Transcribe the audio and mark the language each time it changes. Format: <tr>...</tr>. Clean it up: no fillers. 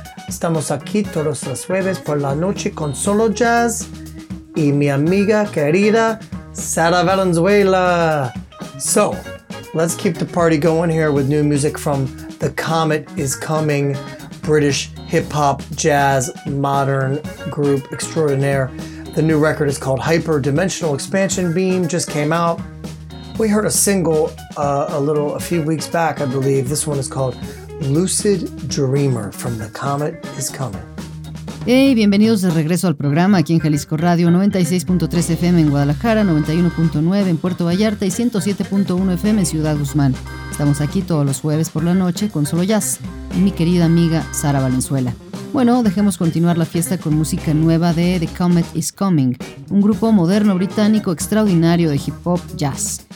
<es>Estamos aquí todos los jueves por la noche con solo jazz y mi amiga querida Sara Valenzuela.</es> <en>So, let's keep the party going here with new music from The Comet Is Coming, British hip-hop, jazz, modern group extraordinaire. The new record is called Hyper Dimensional Expansion Beam, just came out. We heard a single a few weeks back, I believe. This one is called Lucid Dreamer from The Comet Is Coming.</en> <es>Hey, bienvenidos de regreso al programa aquí en Jalisco Radio, 96.3 FM en Guadalajara, 91.9 en Puerto Vallarta y 107.1 FM en Ciudad Guzmán. Estamos aquí todos los jueves por la noche con solo jazz y mi querida amiga Sara Valenzuela. Bueno, dejemos continuar la fiesta con música nueva de The Comet Is Coming, un grupo moderno británico extraordinario de hip-hop jazz.</es>